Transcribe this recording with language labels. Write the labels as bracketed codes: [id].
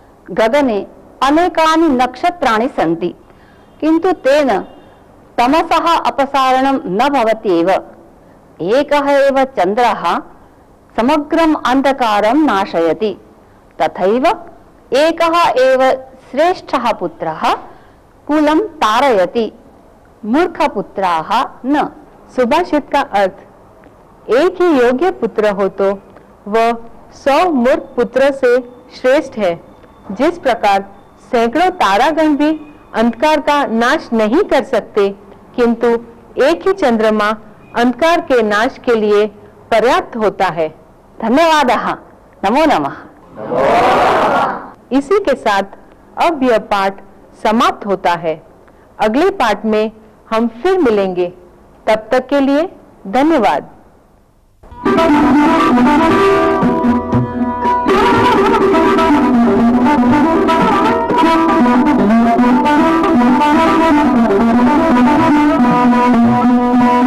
[sa] गगने अनेकानि नक्षत्राणि सन्ति, किन्तु तेन तमसः अपसारणं न भवति एव। एकः एव चन्द्रः समग्रम् अन्धकारं नाशयति, तथैव एकः एव श्रेष्ठः पुत्रः कुलं तारयति, मूर्खपुत्राः न। [hi] सुभाषित का अर्थ, एक ही योग्य पुत्र हो तो वह 100 मूर्ख पुत्र से श्रेष्ठ है। जिस प्रकार सैकड़ों तारागण भी अंधकार का नाश नहीं कर सकते, किंतु एक ही चंद्रमा अंधकार के नाश के लिए पर्याप्त होता है। धन्यवाद, नमो नमः। इसी के साथ अब यह पाठ समाप्त होता है। अगले पाठ में हम फिर मिलेंगे, तब तक के लिए धन्यवाद। I'm not going to be able to do that.